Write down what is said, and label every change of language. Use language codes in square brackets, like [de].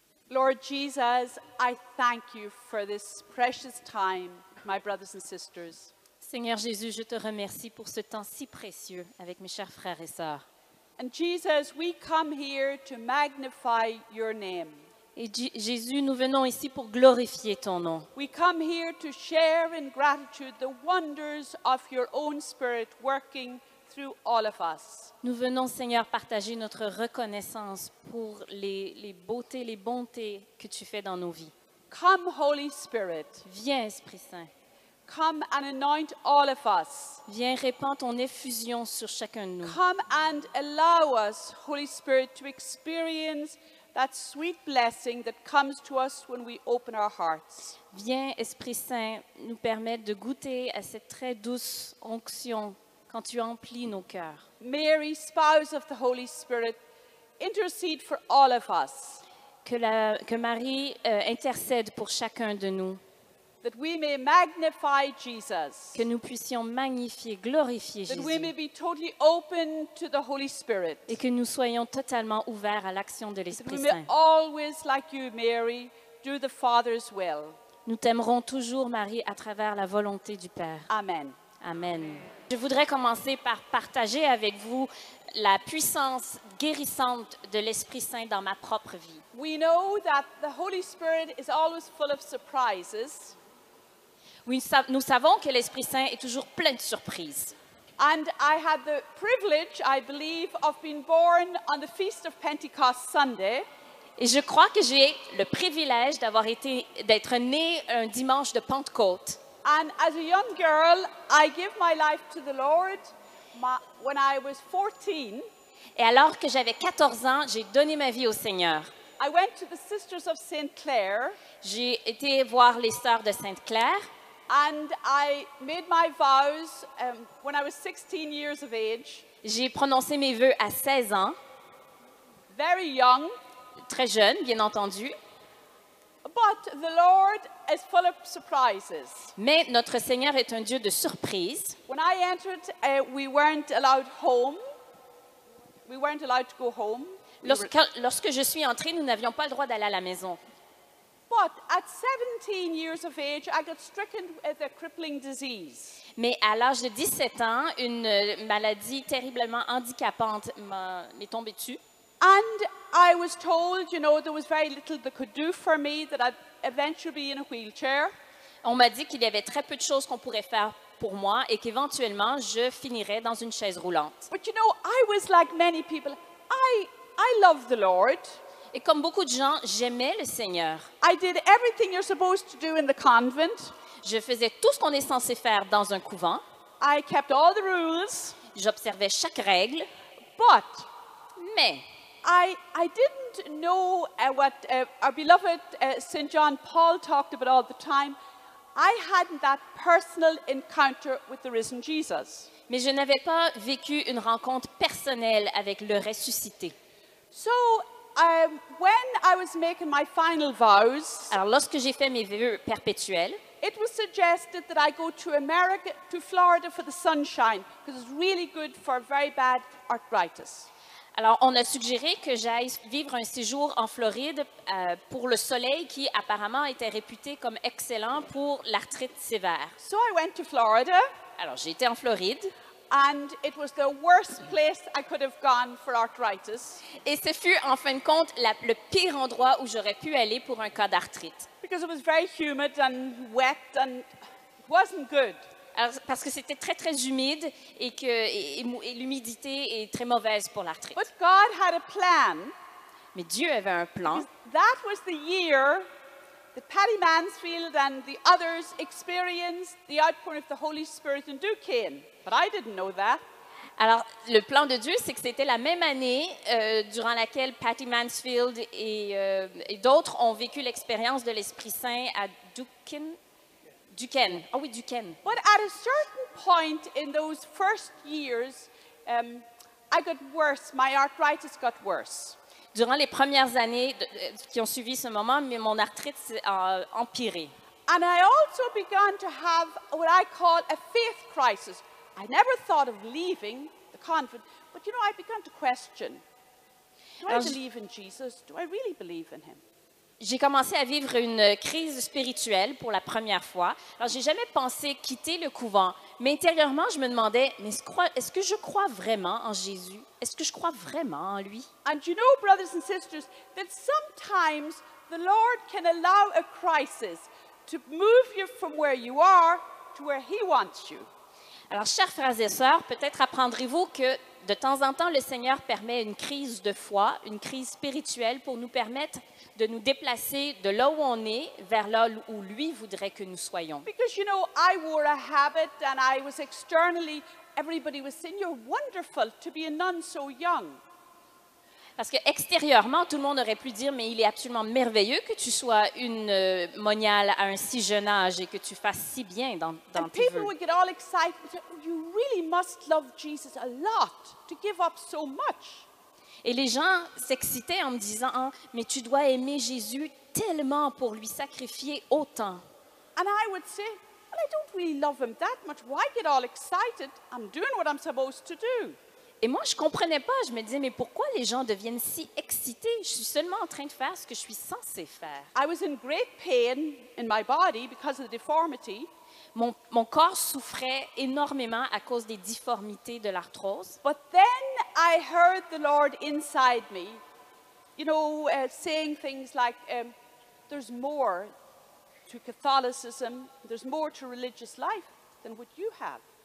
[en] Lord Jesus, I thank you for this precious time, my brothers and sisters. [fr] Seigneur Jésus, je te remercie pour ce temps si précieux avec mes chers frères et sœurs. [en] And Jesus, we come here to magnify your name. [fr] Et Jésus, nous venons ici pour glorifier ton nom. [en] We come here to share in gratitude the wonders of your own spirit working through all of us. [fr] Nous venons, Seigneur, partager notre reconnaissance pour les beautés, les bontés que tu fais dans nos vies. [en] Come, Holy Spirit. [fr] Viens, Esprit Saint. [en] Come and anoint all of us. [fr] Viens, répands ton effusion sur chacun de nous. [en] Come and allow us, Holy Spirit, to experience that sweet blessing that comes to us when we open our hearts. [fr] Viens, Esprit Saint, nous permettre de goûter à cette très douce onction quand tu emplis nos cœurs. [en] Mary, spouse of the Holy Spirit, intercede for all of us. [fr] Que Marie intercède pour chacun de nous. [en] That we may magnify Jesus. [fr] Que nous puissions magnifier, glorifier [en] that [fr] Jésus. [en] We may be totally open to the Holy Spirit. [fr] Et que nous soyons totalement ouverts à l'action de l'Esprit [en] that [fr] Saint. [en] We may always, like you, Mary, do the Father's will. [fr] Nous t'aimerons toujours, Marie, à travers la volonté du Père. [en] Amen. [fr] Amen. Je voudrais commencer par partager avec vous la puissance guérissante de l'Esprit Saint dans ma propre vie. [en] We know that the Holy Spirit is always full of surprises. [fr] Nous savons que l'Esprit Saint est toujours plein de surprises. [en] And I had the privilege, I believe, of being born on the feast of Pentecost Sunday. [fr] Et je crois que j'ai le privilège d'être né un dimanche de Pentecôte. [en] And as a young girl, I gave my life to the Lord when I was 14. [fr] Et alors que j'avais 14 ans, j'ai donné ma vie au Seigneur. [en] I went to the Sisters of Saint Clair. [fr] J'ai été voir les sœurs de Sainte Claire. [en] And I made my vows when I was 16 years of age. [fr] J'ai prononcé mes vœux à 16 ans. [en] Very young. [fr] Très jeune, bien entendu. [en] But the Lord is full of surprises. [fr] Mais notre Seigneur est un Dieu de surprises. [en] When I entered, we weren't allowed home. We weren't allowed to go home. [fr] Lorsque je suis entrée, nous n'avions pas le droit d'aller à la maison. [en] But at 17 years of age, I got stricken with a crippling disease. [fr] Mais à l'âge de 17 ans, une maladie terriblement handicapante m'est tombée dessus. [en] And I was told, you know, there was very little they could do for me, that I'd eventually be in a wheelchair. [fr] On m'a dit qu'il y avait très peu de choses qu'on pourrait faire pour moi et qu'éventuellement je finirais dans une chaise roulante. [en] But you know, I was like many people. I love the Lord. [fr] Et comme beaucoup de gens, j'aimais le Seigneur. [en] I did everything you're supposed to do in the convent. [fr] Je faisais tout ce qu'on est censé faire dans un couvent. [en] I kept all the rules. [fr] J'observais chaque règle. [en] But [fr] mais [en] I didn't know what our beloved Saint John Paul talked about all the time. I hadn't that personal encounter with the risen Jesus. [fr] Mais je n'avais pas vécu une rencontre personnelle avec le ressuscité. [en] So when I was making my final vows, [fr] alors lorsque j'ai fait mes vœux perpétuels, [en] it was suggested that I go to America, to Florida for the sunshine, because it's really good for very bad arthritis. [fr] Alors, on a suggéré que j'aille vivre un séjour en Floride pour le soleil qui, apparemment, était réputé comme excellent pour l'arthrite sévère. [en] So I went to Florida. [fr] Alors, j'ai été en Floride. [en] And it was the worst place I could have gone for arthritis. [fr] Et ce fut, en fin de compte, le pire endroit où j'aurais pu aller pour un cas d'arthrite. [en] Because it was very humid and wet and it wasn't good. [fr] Alors, parce que c'était très, très humide et l'humidité est très mauvaise pour l'arthrite. [en] But God had a plan. [fr] Mais Dieu avait un plan. [en] That was the year that Patty Mansfield and the others experienced the outpouring of the Holy Spirit in Duquesne. But I didn't know that. [fr] Alors, le plan de Dieu, c'est que c'était la même année durant laquelle Patty Mansfield et d'autres ont vécu l'expérience de l'Esprit-Saint à Duquesne. Duquesne. Oh oui, Duquesne. [en] But at a certain point in those first years, I got worse. My arthritis got worse. [fr] Durant les premières années qui ont suivi ce moment, mon arthrite a empiré. [en] And I also began to have what I call a faith crisis. I never thought of leaving the convent, but you know, I began to question, do I believe in Jesus? Do I really believe in him? [fr] J'ai commencé à vivre une crise spirituelle pour la première fois. Alors, j'ai jamais pensé quitter le couvent, mais intérieurement, je me demandais, mais est-ce que je crois vraiment en Jésus? Est-ce que je crois vraiment en lui? [en] And you know, brothers and sisters, that sometimes the Lord can allow a crisis to move you from where you are to where he wants you. [fr] Alors, chers frères et sœurs, peut-être apprendrez-vous que de temps en temps, le Seigneur permet une crise de foi, une crise spirituelle pour nous permettre de nous déplacer de là où on est vers là où lui voudrait que nous soyons. [en] Because, you know, I wore a habit and I was externally, everybody was saying, you're wonderful to be a nun so young. [fr] Parce que extérieurement, tout le monde aurait pu dire, mais il est absolument merveilleux que tu sois une moniale à un si jeune âge et que tu fasses si bien dans tes vœux. [en] People would get all excited and say, you really must love Jesus a lot to give up so much. [fr] Et les gens s'excitaient en me disant, mais tu dois aimer Jésus tellement pour lui sacrifier autant. [en] And I would say, well, I don't really love him that much. Why get all excited? I'm doing what I'm supposed to do. [fr] Et moi, je ne comprenais pas. Je me disais, mais pourquoi les gens deviennent si excités? Je suis seulement en train de faire ce que je suis censé faire. [en] I was in great pain in my body because of the deformity. [fr] Mon corps souffrait énormément à cause des difformités de l'arthrose. [en] But then I heard the Lord inside me, you know, saying things like, there's more to Catholicism, there's more to religious life than what you have.